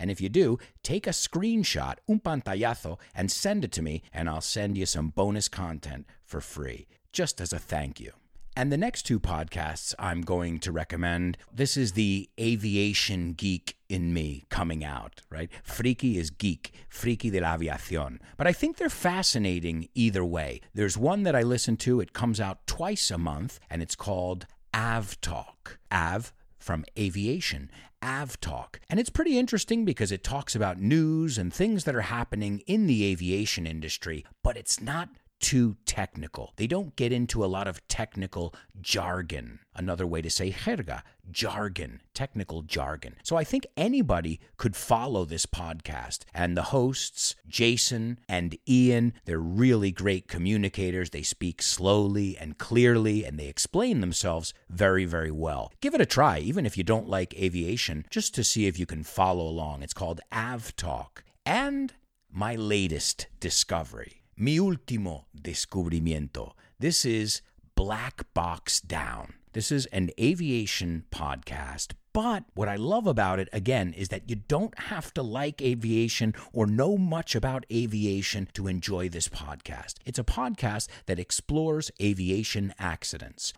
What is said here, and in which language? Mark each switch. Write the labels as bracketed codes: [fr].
[en] And if you do, take a screenshot, [es] un pantallazo, [en] and send it to me, and I'll send you some bonus content for free, just as a thank you. And the next two podcasts I'm going to recommend, this is the aviation geek in me coming out, right? [es] Friki [en] is geek, [es] friki de la aviación. [en] But I think they're fascinating either way. There's one that I listen to, it comes out twice a month, and it's called AvTalk. Av from aviation, AvTalk. And it's pretty interesting because it talks about news and things that are happening in the aviation industry, but it's not too technical. They don't get into a lot of technical jargon. Another way to say jerga, jargon, technical jargon. So I think anybody could follow this podcast. And the hosts, Jason and Ian, they're really great communicators. They speak slowly and clearly, and they explain themselves very, very well. Give it a try, even if you don't like aviation, just to see if you can follow along. It's called AvTalk. And my latest discovery. [es] Mi último descubrimiento. [en] This is Black Box Down. This is an aviation podcast, but what I love about it, again, is that you don't have to like aviation or know much about aviation to enjoy this podcast. It's a podcast that explores aviation accidents.